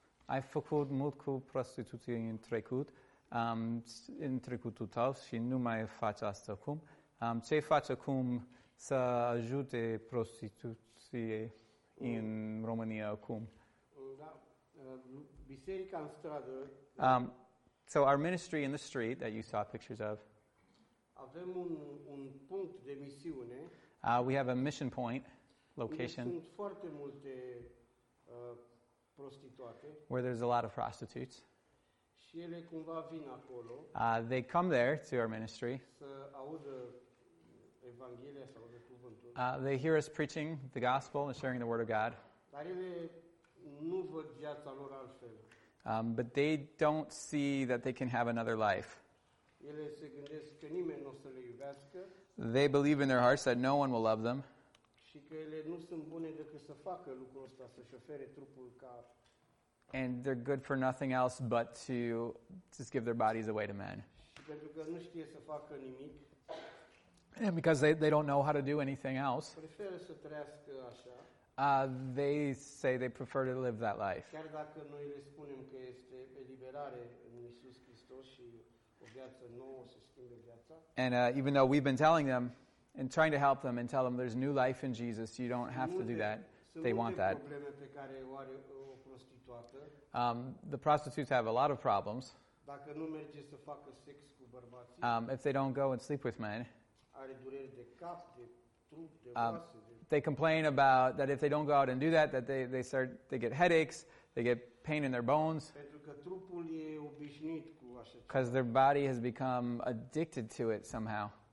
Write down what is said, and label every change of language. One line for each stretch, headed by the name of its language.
Romanian: Ai făcut mult cu prostituție în trecut, în trecutul tău și nu mai faci asta acum. Ce faci acum să ajute prostituție în România acum? Da, biserica în stradă.
English: So our ministry in the street that you saw pictures of.
Romanian: Avem un punct de misiune.
English: We have a mission point, location.
Romanian: Sunt foarte multe prostituate.
English: Where there's a lot of prostitutes.
Romanian: Și ele cumva vin acolo.
English: They come there to our ministry.
Romanian: Să audă Evanghelia, să audă cuvântul.
English: They hear us preaching the gospel and sharing the word of God.
Romanian: Dar ele nu văd viața lor altfel.
English: But they don't see that they can have another life.
Romanian: Ele se gândesc că nimeni n-o să le iubească.
English: They believe in their hearts that no one will love them.
Romanian: Și că ele nu sunt bune decât să facă lucrul ăsta, să-și ofere trupul ca...
English: And they're good for nothing else but to just give their bodies away to men.
Romanian: Și pentru că nu știe să facă nimic.
English: And because they don't know how to do anything else.
Romanian: Preferă să trăiască așa.
English: They say they prefer to live that life.
Romanian: Chiar dacă noi le spunem că este eliberare în Iisus Hristos și o viață nouă, se schimbă viața.
English: And even though we've been telling them and trying to help them and tell them there's new life in Jesus, you don't have to do that. They want that.
Romanian: Sunt multe probleme pe care o are o prostituată.
English: The prostitutes have a lot of problems.
Romanian: Dacă nu merge să facă sex cu bărbații.
English: If they don't go and sleep with men.
Romanian: Are dureri de cap, de trup, de oase.
English: They complain about that if they don't go out and do that, that they get headaches, they get pain in their bones.
Romanian: Pentru că trupul e obișnuit cu așa ceva.
English: Because their body has become addicted to it somehow.